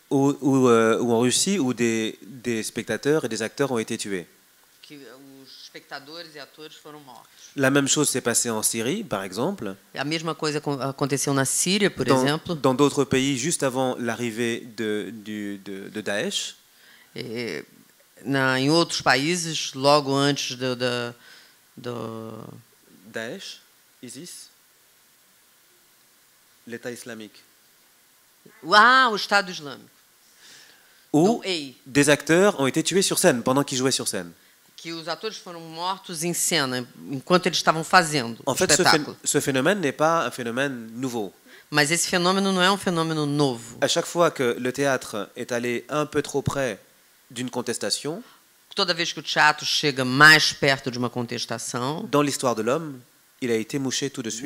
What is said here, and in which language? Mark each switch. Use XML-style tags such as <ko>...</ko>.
<fr>Ou en Russie, où des spectateurs et des acteurs ont été tués.</fr> <pt>Que os espectadores e atores foram mortos.</pt> <fr>La même chose s'est passée en Syrie, par exemple.</fr> <pt>A mesma coisa aconteceu na Síria, por exemplo.</pt> <fr>Dans d'autres pays, juste avant l'arrivée de Daesh.</fr> <pt>Em outros países, logo antes do</pt> <fr>Daesh, ISIS, l'État islamique.</fr> <pt>O Estado Islâmico.</pt> <fr>Où des acteurs ont été tués sur scène pendant qu'ils jouaient sur scène.</fr> <pt>Que os atores foram mortos em cena enquanto eles estavam fazendo</pt> <fr>en</fr> <pt>o</pt> <fr>fait,</fr> <pt>espetáculo.</pt> <fr>Ce phénomène n'est pas un phénomène nouveau.</fr> <pt>Mas esse fenômeno não é um fenômeno novo.</pt> <fr>À chaque fois que le théâtre est allé un peu trop près d'une contestation.</fr> <pt>Toda vez que o teatro chega mais perto de uma contestação.</pt> <fr>Dans l'histoire de l'homme, il a été mouché tout de suite.</fr>